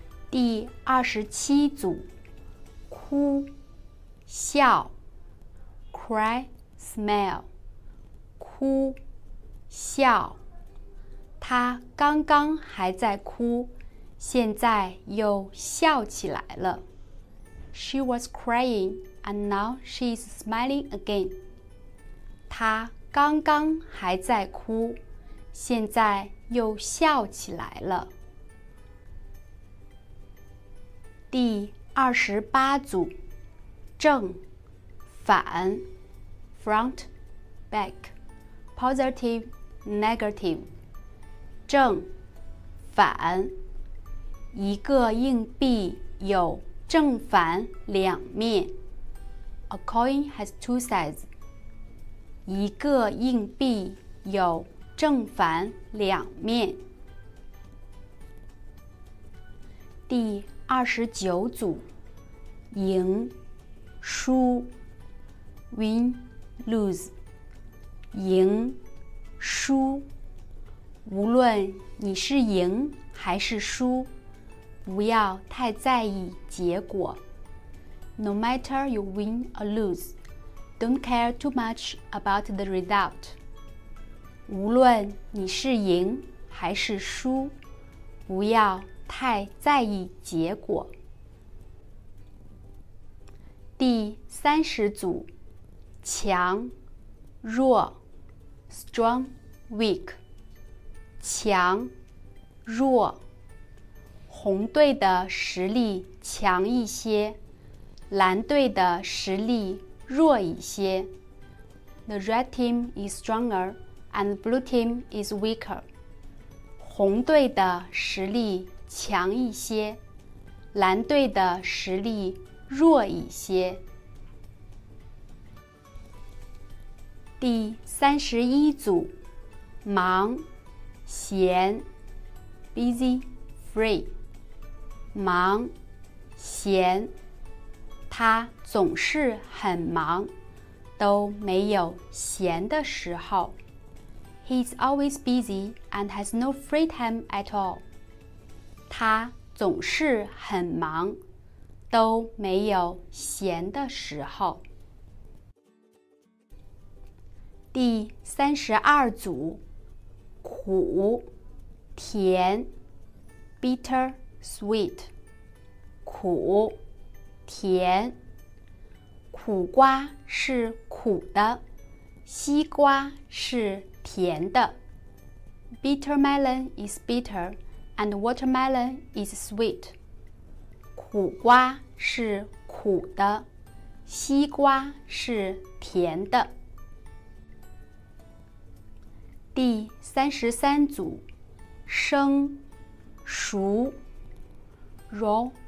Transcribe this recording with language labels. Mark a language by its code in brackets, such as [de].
[zh] 第二十七组，哭，笑 ， [en] cry, smile， [zh] 哭，笑。他刚刚还在哭，现在又笑起来了。 [en] She was crying, and now she is smiling again. [zh] 他刚刚还在哭，现在又笑起来了。第二十八组，正，反 ， [en] front, back, positive, negative， [zh] 正，反。一个硬币有正反两面。 [en] A coin has two sides。 [zh] 一个硬币有正反两面。第二十九组，赢，输 ， [en] win, lose， [zh] 赢，输。无论你是赢还是输，不要太在意结果。 [en] No matter you win or lose, don't care too much about the result. [zh] 无论你是赢还是输，不要太在意结果。第三十组，强，弱 ， [en] strong, weak， [zh] 强，弱。红队的实力强一些，蓝队的实力弱一些。 [en] The red team is stronger and the blue team is weaker. [zh] 红队的实力强一些，蓝队的实力弱一些。第三十一组，忙，闲 ， [en] busy, free。 [zh] 忙，闲，他总是很忙，都没有闲的时候。 [en] He's always busy and has no free time at all. [zh] 他总是很忙，都没有闲的时候。第三十二组，苦，甜 ， [en] bitter, sweet。 [zh] 苦，甜。苦瓜是苦的，西瓜是甜的。 [en] Bitter melon is bitter, and watermelon is sweet. [zh] 苦瓜是苦的，西瓜是甜的。第三十三组，生，熟 ， [en] raw。